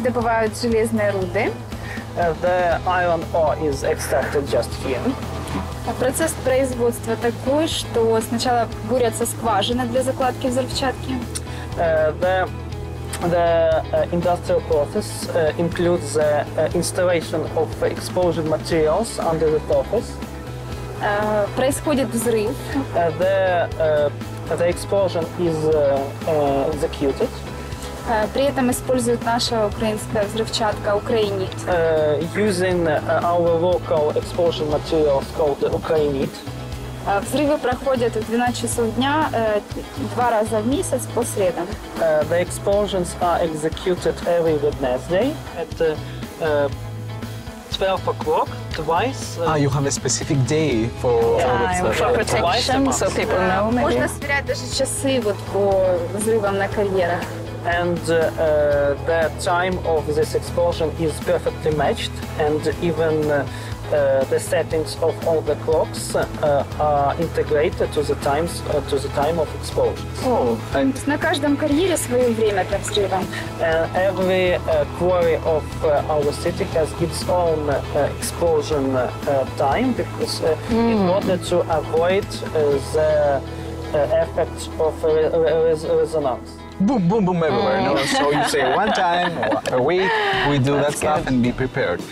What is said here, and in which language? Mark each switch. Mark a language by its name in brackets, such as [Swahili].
[Russian] добывают железные руды. [English] The iron ore is extracted just here. [Russian] Процесс производства такой, что сначала бурятся скважины для закладки взрывчатки. [English] The industrial process includes the installation of explosive materials under the surface. [Russian] Происходит взрыв. [English] The explosion is executed. [Russian] При этом используют наша украинская взрывчатка Ukrainian. [English] Using our local explosion materials called Ukrainian. [Russian] Взрывы проходят в 12 часов дня два раза в месяц по средам. [English] The explosions are executed every Wednesday at 12 o'clock twice. You have a specific day for protection, so people know. Maybe. [Russian] Можно сверять даже часы вот по взрывам на карьерах. [English] And the time of this explosion is perfectly matched, and even the settings of all the clocks are integrated to the times to the time of explosions. Oh, and [Russian] на каждом карьере своё время для взрыва. [English] Every quarry of our city has its own explosion time because in order to avoid the effects of resonance. Boom, boom, boom everywhere. Mm. No, so you say one time a week, we do that stuff and be prepared.